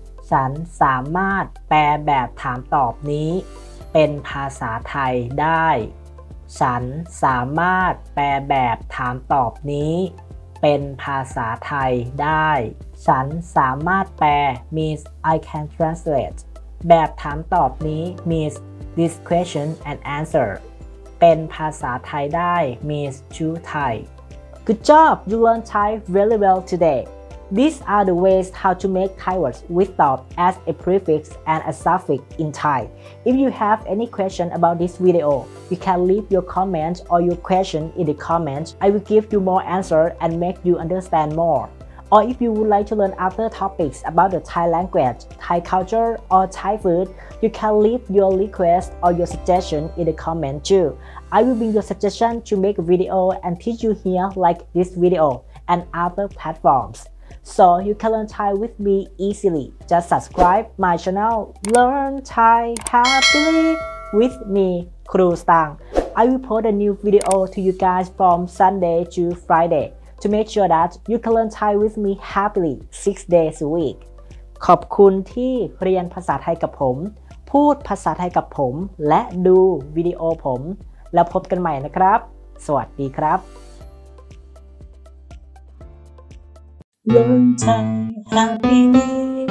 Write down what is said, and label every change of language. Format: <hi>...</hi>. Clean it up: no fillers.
<th>ฉันสามารถแปลแบบถามตอบนี้เป็นภาษาไทยได้ฉันสามารถแปลแบบถามตอบนี้เป็นภาษาไทยได้ฉันสามารถแปล</th> <en>means I can translate</en> <th>แบบถามตอบนี้</th> <en>means this question and answer</en> <th>เป็นภาษาไทยได้</th> <en>means to Thai Good job! You learned Thai really well today! These are the ways how to make Thai words with tob as a prefix and a suffix in Thai. If you have any question about this video, you can leave your comment or your question in the comments. I will give you more answer and make you understand more. Or if you would like to learn other topics about the Thai language, Thai culture, or Thai food, you can leave your request or your suggestion in the comment too. I will bring your suggestion to make a video and teach you here like this video and other platforms. So you can learn Thai with me easily. Just subscribe my channel, Learn Thai Happily with me, Kru Stang. I will post a new video to you guys from Sunday to Friday to make sure that you can learn Thai with me happily 6 days a week.</en> <th>ขอบคุณที่เรียนภาษาไทยกับผมพูดภาษาไทยกับผมและดูวิดีโอผมแล้วพบกันใหม่นะครับสวัสดีครับLearn Thai Happily</th>